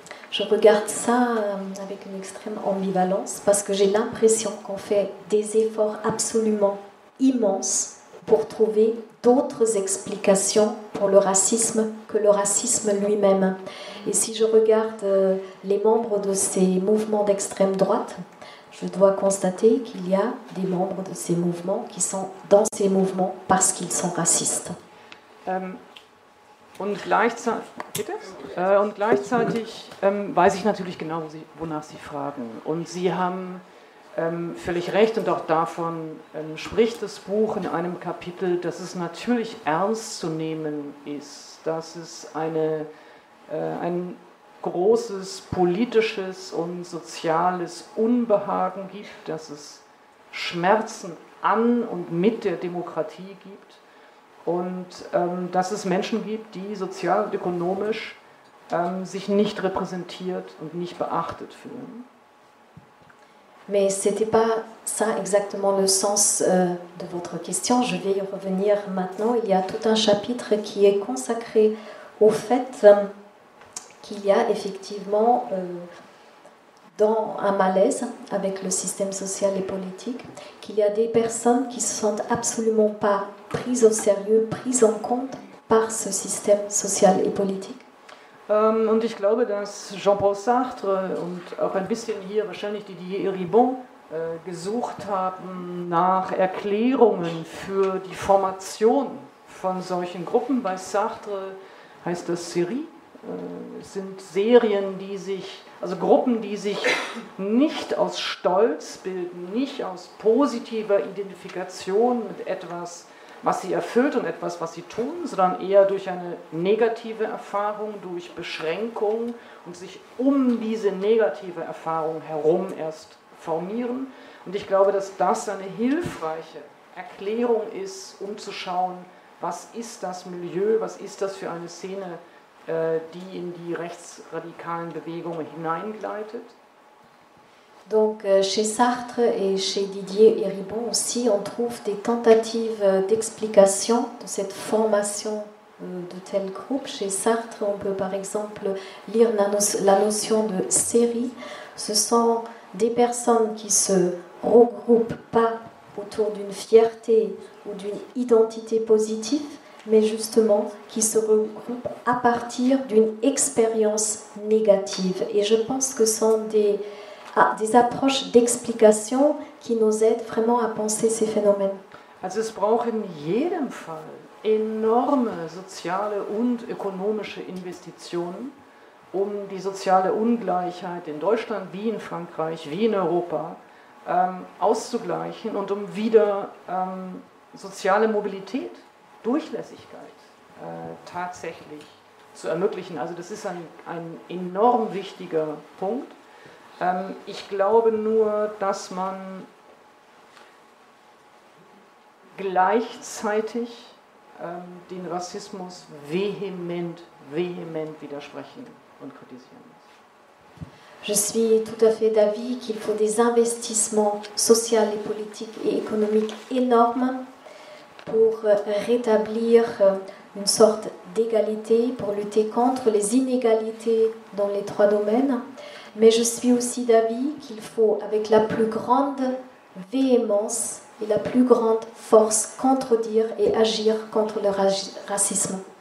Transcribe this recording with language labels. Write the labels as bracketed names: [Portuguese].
[French] Je regarde ça avec une extrême ambivalence parce que j'ai l'impression qu'on fait des efforts absolument immenses pour trouver d'autres explications pour le racisme que le racisme lui-même. Et si je regarde les membres de ces mouvements d'extrême droite, je dois constater qu'il y a des membres de ces mouvements qui sont dans ces mouvements parce qu'ils sont racistes. [German] Und gleichzeitig weiß ich natürlich genau, wonach Sie fragen. Und Sie haben völlig recht, und auch davon spricht das Buch in einem Kapitel, dass es natürlich ernst zu nehmen ist, dass es ein großes politisches und soziales Unbehagen gibt, dass es Schmerzen an und mit der Demokratie gibt. Und dass es Menschen gibt, die sozial und ökonomisch sich nicht repräsentiert und nicht beachtet fühlen. [French] Mais c'était pas ça exactement le sens de votre question. Je vais y revenir maintenant. Il y a tout un chapitre qui est consacré au fait qu'il y a effectivement dans un malaise avec le système social et politique, qu'il y a des personnes qui se sentent absolument pas prise au sérieux, prise en compte par ce système social et politique. [German] Und ich glaube, dass Jean-Paul Sartre und auch ein bisschen hier wahrscheinlich Didier Eribon gesucht haben nach Erklärungen für die Formation von solchen Gruppen. Bei Sartre heißt das Serie. Es sind Serien, die sich, also Gruppen, die sich nicht aus Stolz bilden, nicht aus positiver Identifikation mit etwas, was sie erfüllt und etwas, was sie tun, sondern eher durch eine negative Erfahrung, durch Beschränkung und sich um diese negative Erfahrung herum erst formieren. Und ich glaube, dass das eine hilfreiche Erklärung ist, um zu schauen, was ist das Milieu, was ist das für eine Szene, die in die rechtsradikalen Bewegungen hineingleitet. [French] Donc chez Sartre et chez Didier Eribon aussi, on trouve des tentatives d'explication de cette formation de tel groupe. Chez Sartre, on peut par exemple lire la notion de série. Ce sont des personnes qui se regroupent pas autour d'une fierté ou d'une identité positive, mais justement qui se regroupent à partir d'une expérience négative. Et je pense que ce sont des approches d'explication qui nous aident vraiment à penser ces phénomènes. [German] Also es braucht in jedem Fall enorme soziale und ökonomische Investitionen, um die soziale Ungleichheit in Deutschland wie in Frankreich, wie in Europa auszugleichen und um wieder soziale Mobilität, Durchlässigkeit tatsächlich zu ermöglichen. Also das ist ein enorm wichtiger Punkt. Ich glaube nur, dass man gleichzeitig den Rassismus vehement widersprechen und kritisieren muss. [French] Je suis tout à fait d'avis qu'il faut des investissements sociaux et politiques et économiques énormes pour rétablir une sorte d'égalité, pour lutter contre les inégalités dans les trois domaines. Mais je suis aussi d'avis qu'il faut, avec la plus grande véhémence et la plus grande force, contredire et agir contre le racisme.